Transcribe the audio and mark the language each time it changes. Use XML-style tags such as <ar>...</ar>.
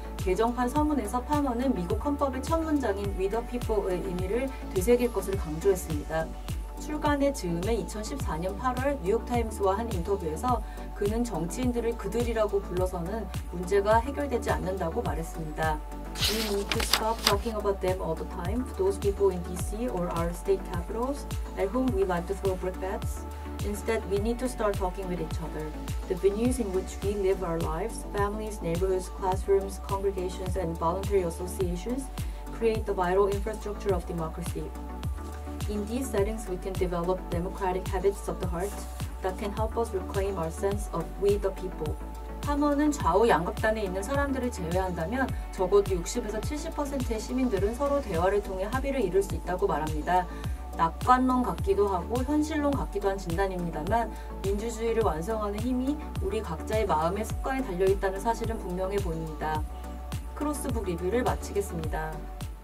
<ko>개정판 서문에서 파머는 미국 헌법의 첫 문장인 We the People의 의미를 되새길 것을 강조했습니다. 출간의 즈음에 2014년 8월 뉴욕타임스와 한 인터뷰에서 그는 정치인들을 그들이라고 불러서는 문제가 해결되지 않는다고 말했습니다.</ko> <en>We need to stop talking about them all the time, those people in DC or our state capitals, at whom we like to throw brickbats, Instead, we need to start talking with each other. The venues in which we live our lives, families, neighborhoods, classrooms, congregations, and voluntary associations create the vital infrastructure of democracy. In these settings, we can develop democratic habits of the heart that can help us reclaim our sense of we the people.</en> <ko>3호는 좌우 양극단에 있는 사람들을 제외한다면 적어도 60에서 70%의 시민들은 서로 대화를 통해 합의를 이룰 수 있다고 말합니다. 낙관론 같기도 하고 현실론 같기도 한 진단입니다만 민주주의를 완성하는 힘이 우리 각자의 마음의 습관에 달려있다는 사실은 분명해 보입니다. 크로스북 리뷰를 마치겠습니다.</ko>